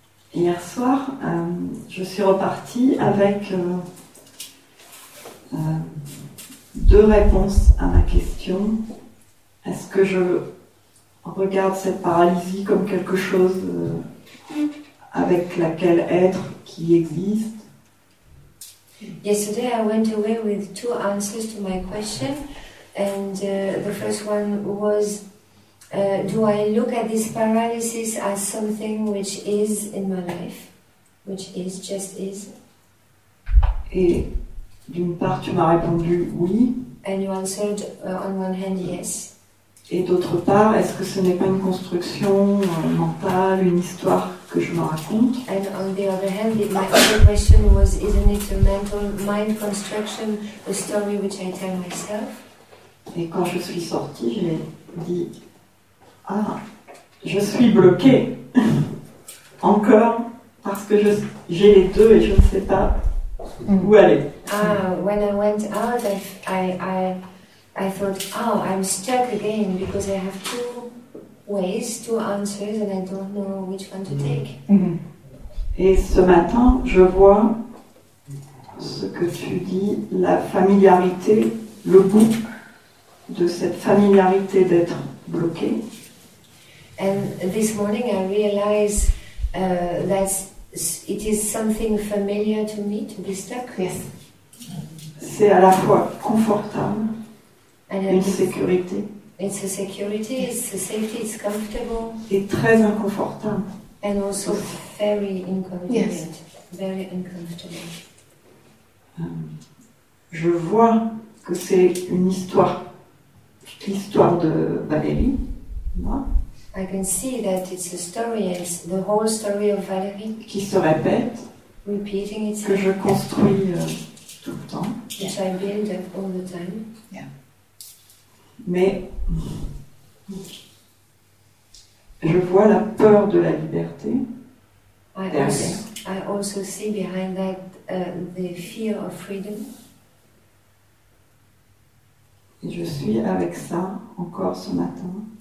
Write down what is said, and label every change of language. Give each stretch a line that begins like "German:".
French: Hier soir, je suis repartie avec deux réponses à ma question. Est-ce que je regarde cette paralysie comme quelque chose avec laquelle être qui existe?
English: Yesterday, I went away with two answers to my question. And the first one was, do I look at this paralysis as something which is in my life, which is, just is?
French: Et d'une part, tu m'as répondu oui.
English: And you answered on one hand, yes.
French: Et d'autre part, est-ce que ce n'est pas une construction mentale, une histoire que je me raconte?
English: And on the other hand, my other question was, isn't it a mental mind construction, a story which I tell myself?
French: Et quand je suis sortie, j'ai dit, ah, je suis bloquée, encore, parce que j'ai les deux et je ne sais pas où aller.
English: Ah, when I went out, I thought, oh, I'm stuck again because I have two ways, two answers, and I don't know which one to take. Mm-hmm.
French: Et ce matin, je vois ce que tu dis, la familiarité, le bout de cette familiarité d'être bloqué.
English: And this morning, I realize that it is something familiar to me to be stuck.
French: Yes. C'est à la fois confortable. And une sécurité.
English: It's a security, it's a safety, it's comfortable.
French: Et très inconfortable.
English: And also very inconvenient. Yes. Very uncomfortable.
French: Je vois que c'est une histoire, l'histoire de Valérie, moi.
English: I can see that it's a story, it's the whole story of Valérie.
French: Qui se répète.
English: Repeating itself.
French: Que je construis tout le temps.
English: Which I build up all the time. Yeah.
French: Mais je vois la peur de la liberté derrière.
English: I also see behind that the fear of freedom.
French: Et je suis avec ça encore ce matin.